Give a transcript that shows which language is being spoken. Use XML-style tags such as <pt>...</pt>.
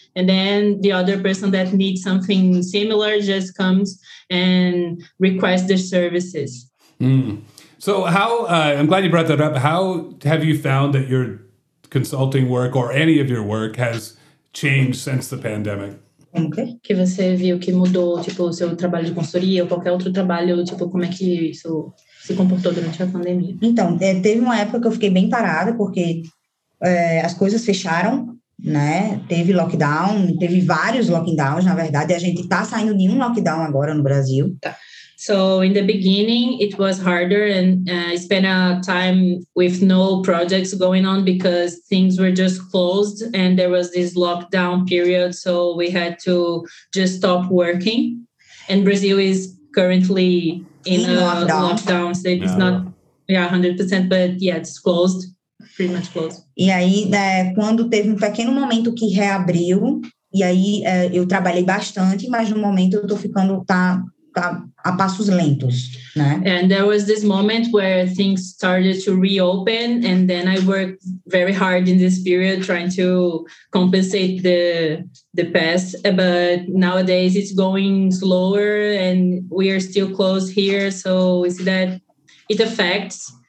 <en>And then the other person that needs something similar just comes and requests the services. Mm. So how, I'm glad you brought that up. How have you found that your consulting work or any of your work has changed since the pandemic? Okay.</en> <pt>Que você viu que mudou, tipo, o seu trabalho de consultoria ou qualquer outro trabalho, tipo, como é que isso se comportou durante a pandemia? Então, teve uma época que eu fiquei bem parada, porque as coisas fecharam, né? Teve lockdown, teve vários lockdowns, na verdade, e a gente tá saindo de um lockdown agora no Brasil. Tá.</pt> <en>So, in the beginning, it was harder, and I spent a time with no projects going on because things were just closed, and there was this lockdown period, so we had to just stop working. And Brazil is currently in a lockdown, so it's not 100%, but yeah, it's closed, pretty much closed.</en> <pt>E aí, quando teve pequeno momento que reabriu, e aí eu trabalhei bastante, mas no momento eu tô ficando... A passos lentos, né?</pt> <en>And there was this moment where things started to reopen and then I worked very hard in this period trying to compensate the past, but nowadays it's going slower and we are still closed here, so we see that it affects.</en>